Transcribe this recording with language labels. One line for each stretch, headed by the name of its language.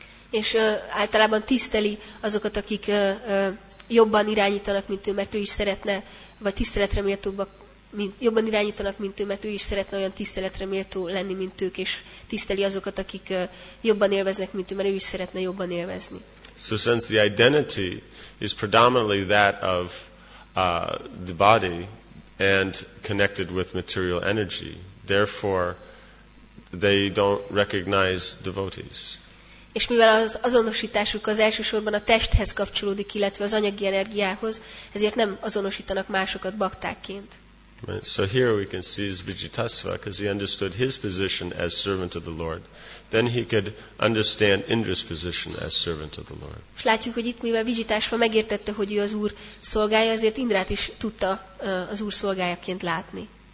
Hungarian: És általában tiszteli azokat, akik jobban irányítanak, mint ő, mert ő is szeretne, vagy tiszteletre méltóbbak, jobban irányítanak, mint ő, mert ő is szeretne olyan tiszteletre méltó lenni, mint ők, és tiszteli azokat, akik jobban élveznek, mint ő, mert ő is szeretne jobban élvezni.
English: So since the identity is predominantly that of the body and connected with material energy, therefore they don't recognize devotees.
Hungarian: És mivel az azonosításuk az elsősorban a testhez kapcsolódik, illetve az anyagi energiához, ezért nem azonosítanak másokat baktákként.
English: So here we can see his Vijitasva, because he understood his position as servant of the Lord. Then he could understand Indra's position as servant of the Lord.
Hungarian: És látjuk, hogy itt, mivel Vijitasva megértette, hogy ő az Úr szolgája, ezért Indrát is tudta az Úr szolgájaként látni.